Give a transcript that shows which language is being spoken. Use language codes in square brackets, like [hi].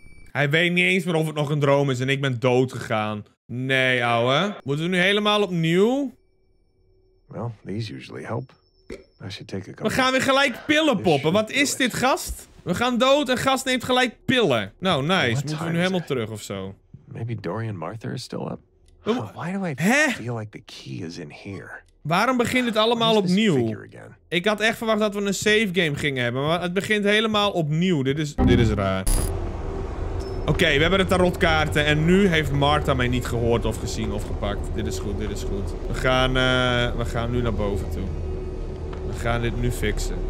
[nl] Hij weet niet eens meer of het nog een droom is en ik ben dood gegaan. Nee, ouwe. Moeten we nu helemaal opnieuw? [en] Well, these usually help. I should take a couple. [nl] We gaan weer gelijk pillen poppen. Wat is dit, gast? We gaan dood en gast neemt gelijk pillen. Nou, nice. Moeten we nu helemaal terug of zo? [en] Maybe Dorian Martha is still up? Why do I feel like the key is in here? [nl] Waarom begint het allemaal opnieuw? Ik had echt verwacht dat we een save game gingen hebben, maar het begint helemaal opnieuw. Dit is raar. Oké, we hebben de tarotkaarten en nu heeft Martha mij niet gehoord of gezien of gepakt. Dit is goed. We gaan nu naar boven toe. We gaan dit nu fixen.